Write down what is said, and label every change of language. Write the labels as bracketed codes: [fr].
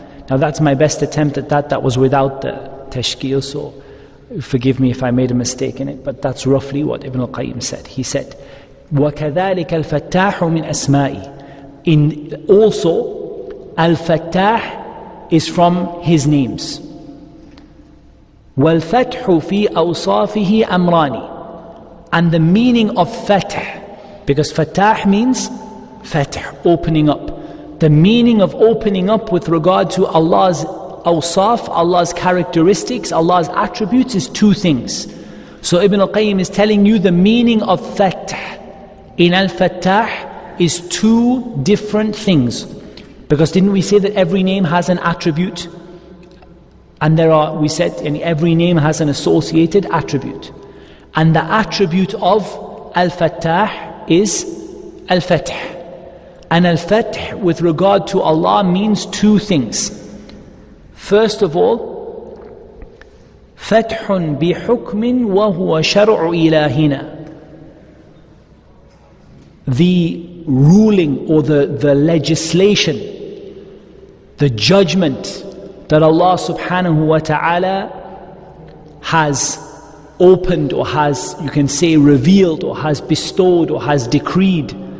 [en] Now that's my best attempt at that. That was without the tashkil, so forgive me if I made a mistake in it, but that's roughly what Ibn al-Qayyim said. He said, [ar] وَكَذَلِكَ الْفَتَّاحُ مِنْ أَسْمَائِي. [en] In also, Al-Fattah is from his names. [ar] وَالْفَتْحُ فِي أَوْصَافِهِ أَمْرَانِ. [en] And the meaning of Fath, because Fattah means Fath, opening up. The meaning of opening up with regard to Allah's awsaf, Allah's characteristics, Allah's attributes is two things. So Ibn al-Qayyim is telling you the meaning of Fath in Al-Fattah is two different things. Because didn't we say that every name has an attribute? And there are, we said, and every name has an associated attribute. And the attribute of Al-Fattah is Al-Fath. And Al-Fath with regard to Allah means two things. First of all, [ar] فَتْحٌ بِحُكْمٍ وَهُوَ شَرْعُ إِلَهِنَا. [en] The ruling or the legislation, the judgment that Allah subhanahu wa ta'ala has opened or has, you can say, revealed or has bestowed or has decreed.